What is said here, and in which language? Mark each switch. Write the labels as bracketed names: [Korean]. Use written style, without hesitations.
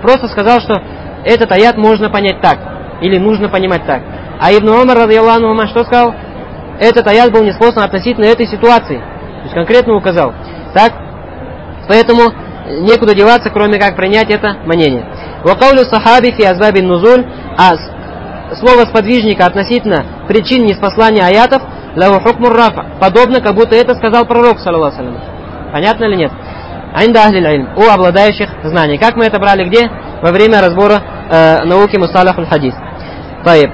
[Russian] Просто сказал, что этот аят можно понять так, или нужно понимать так. А Ибн Умар, радиаллаху анхума, что сказал? Этот аят был ниспослан относительно этой ситуации. То есть конкретно указал. Так? Поэтому некуда деваться, кроме как принять это мнение. [Arabic] وَقَوْلُ [Russian] сахаби [Arabic] فِي أَزْبَابِ النُّزُولِ. [Russian] А слово сподвижника относительно причин ниспослания аятов [Arabic] «Лаву хукму рафа». [Russian] Подобно, как будто это сказал пророк, саллаллаху алейхи ва саллям. Понятно или нет? [Arabic] «Инда ахлиль ильм». [Russian] У обладающих знаний. Как мы это брали где? Во время разбора науки «Мусталах аль-Хадис». Таиб.